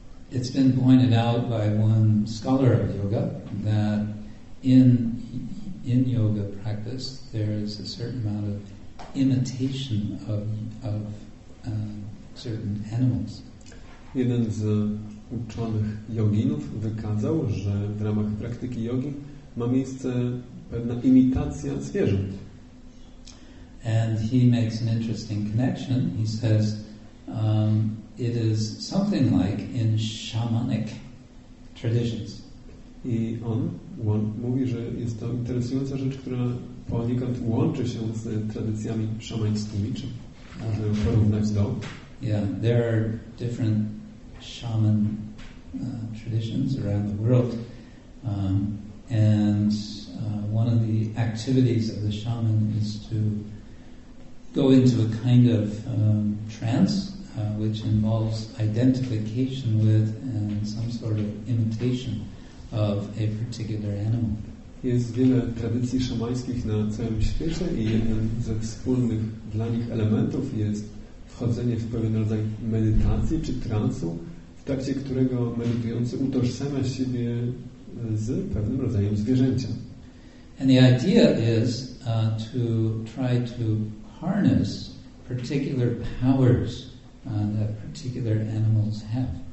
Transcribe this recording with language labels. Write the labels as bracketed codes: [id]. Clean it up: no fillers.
[en] It's been pointed out by one scholar of yoga that in yoga practice there is a certain amount of imitation of certain animals. [pl] Jeden z uczonych joginów wykazał, że w ramach praktyki jogi ma miejsce pewna imitacja zwierząt. [en] And he makes an interesting connection. He says it is something like in shamanic traditions. [pl] I on mówi, że jest to interesująca rzecz, która poniekąd łączy się z tradycjami szamańskimi, czy może porównać do. [en] Yeah, there are different shaman traditions around the world, and one of the activities of the shaman is to go into a kind of trance, which involves identification with and some sort of imitation of a particular animal. [pl] Jest wiele tradycji szamańskich na całym świecie i jednym ze wspólnych dla nich elementów jest wchodzenie w pewien rodzaj medytacji czy transu, w trakcie którego medytujący utożsamia siebie z pewnym rodzajem zwierzęcia. [en] And the idea is to try to harness particular powers that particular animals have.